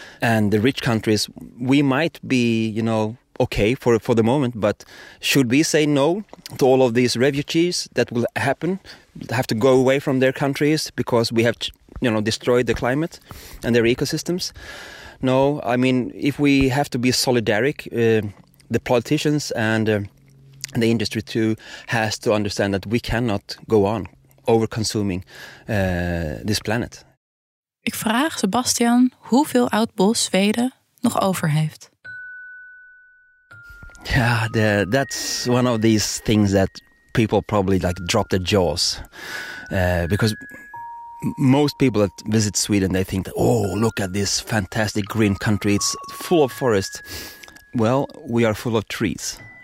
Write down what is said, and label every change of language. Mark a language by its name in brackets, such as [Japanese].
[English] And the rich countries, we might be, you know, okay for the moment, but should we say no to all of these refugees that will happen, have to go away from their countries because we have, you know, destroyed the climate and their ecosystems? No, I mean, if we have to be solidaric, the politicians and the industry too has to understand that we cannot go on over-consuming this planet. [Dutch] Ik vraag Sebastian hoeveel oud bos Zweden nog over heeft. [English] Yeah, that's one of these things that people probably like drop their jaws. Because most people that visit Sweden, they think, that, oh, look at this fantastic green country. It's full of forest. Well, we are full of trees.